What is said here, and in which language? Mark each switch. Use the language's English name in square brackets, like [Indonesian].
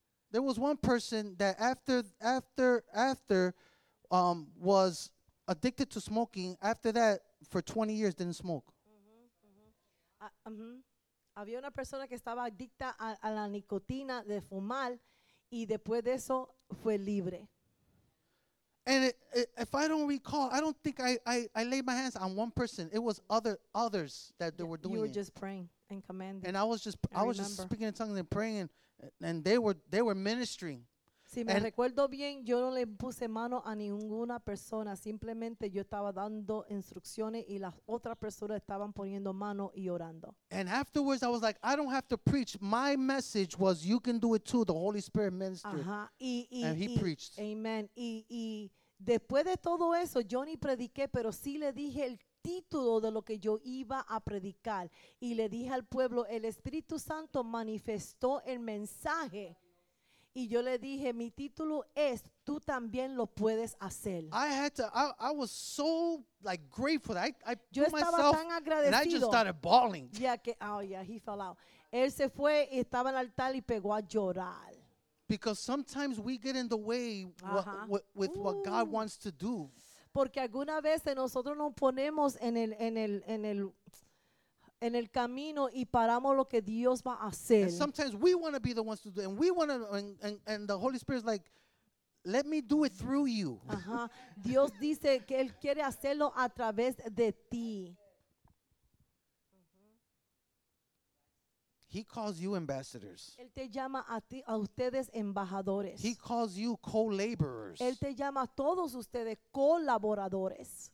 [English] There was one person that after was addicted to smoking. After that, for 20 years, didn't smoke. [Spanish] Había una persona que estaba adicta a la nicotina de fumar y después de eso fue libre. [English] And if I don't recall, I don't think I laid my hands on one person. It was others that they were doing it. You were just it. Praying and commanding. And I was just speaking in tongues and praying and they were ministering. [Spanish] Si me recuerdo bien, yo no le puse mano a ninguna persona. Simplemente yo estaba dando instrucciones y las otras personas estaban poniendo mano y orando. [English] And afterwards, I was like, I don't have to preach. My message was, you can do it too. The Holy Spirit ministered. And he preached. Amen. [Spanish] Y después de todo eso, yo ni prediqué, pero sí le dije el título de lo que yo iba a predicar. Y le dije al pueblo, el Espíritu Santo manifestó el mensaje. Y yo le dije, mi título es, tú también lo puedes hacer. [English] I was so like grateful. I [Spanish] yo estaba tan agradecido. [English] And I just started bawling. He fell out. [Spanish] Él se fue y estaba en el altar y pegó a llorar. [English] Because sometimes we get in the way with what God wants to do. [Spanish] Porque alguna vez nosotros nos ponemos en el camino y paramos lo que Dios va a hacer. [English] And sometimes we want to be the ones to do it. And the Holy Spirit is like, let me do it through you. [Spanish] Dios dice que Él quiere hacerlo a través de ti. [English] He calls you ambassadors. [Spanish] Él te llama a ti, a ustedes embajadores. [English] He calls you co-laborers. [Spanish] Él te llama a todos ustedes colaboradores.